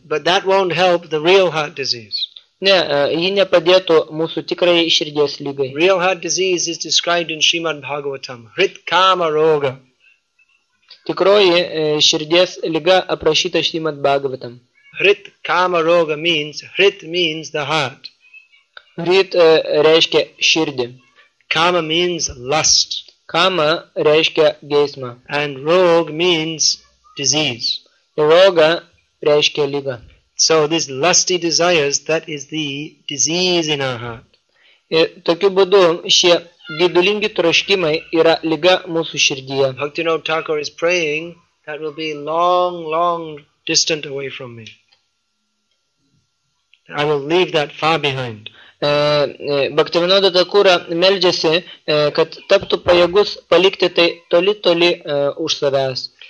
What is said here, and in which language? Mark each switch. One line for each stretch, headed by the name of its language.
English: But that won't help the real heart disease.
Lithuanian: Ne, ji nepadėtų mūsų tikrai širdies lygai.
English: Real heart disease is described in Srimad Bhagavatam.
Sanskrit: Hritkama roga.
Lithuanian: Tikroji širdies lyga aprašyta Srimad Bhagavatam.
English: Hritkama roga means, hrit means the heart.
Lithuanian: Hrit reiškia širdį.
English: Kama means lust.
Lithuanian: Kama reiškia geismą.
English: And rog means disease.
Lithuanian: Roga reiškia lyga.
English: So these lusty desires, that is the disease in our heart.
Lithuanian: Ir tokiu būdu šie gedulingi troškimai yra lyga mūsų širdyje.
English: Bhaktivinoda Thakur is praying that will be long, long distant away from me. I will leave that far behind.
Lithuanian: Bhaktivinoda Thakur meldžiasi, kad taptų pajėgus palikti tai toli, toli už savęs.